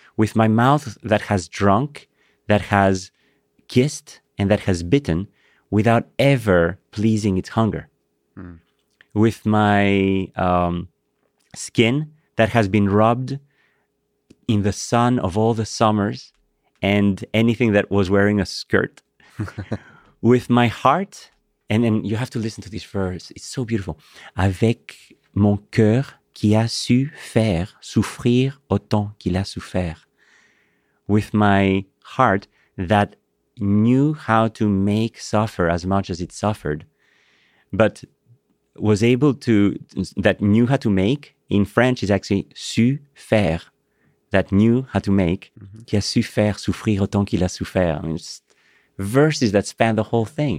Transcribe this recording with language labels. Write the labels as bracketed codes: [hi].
[en] With my mouth that has drunk, that has kissed, and that has bitten without ever pleasing its hunger. Mm. With my skin that has been rubbed in the sun of all the summers and anything that was wearing a skirt with my heart. And then you have to listen to this verse. It's so beautiful. [fr] Avec mon cœur qui a su faire souffrir autant qu'il a souffert. [en] With my heart that knew how to make suffer as much as it suffered, but was able to, that knew how to make, in French is actually su faire, that knew how to make, [fr] qui a su faire souffrir autant qu'il a souffert. [en] I mean, it's verses that span the whole thing.